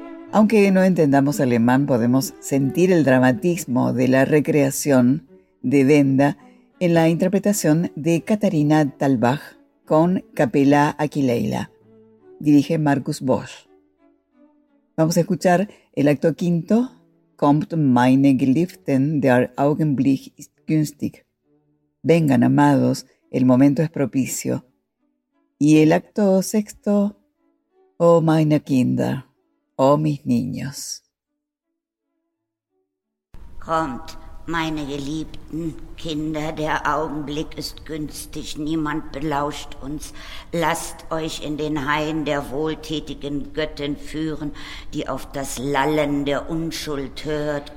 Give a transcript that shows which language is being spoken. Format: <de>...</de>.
<es>Aunque no entendamos alemán, podemos sentir el dramatismo de la recreación de Benda en la interpretación de Katharina Thalbach con Capella Aquileia. Dirige Markus Bosch. Vamos a escuchar el acto quinto,</es> <de>Kommt meine Geliebten, der Augenblick ist günstig.</de> <es>Vengan, amados, el momento es propicio. Y el acto sexto,</es> <de>Oh meine Kinder.</de> <es>Oh, mis niños.</es> <de>Kommt, meine geliebten Kinder, der Augenblick ist günstig, niemand belauscht uns. Lasst euch in den Hain der wohltätigen Göttin führen, die auf das Lallen der Unschuld hört.</de>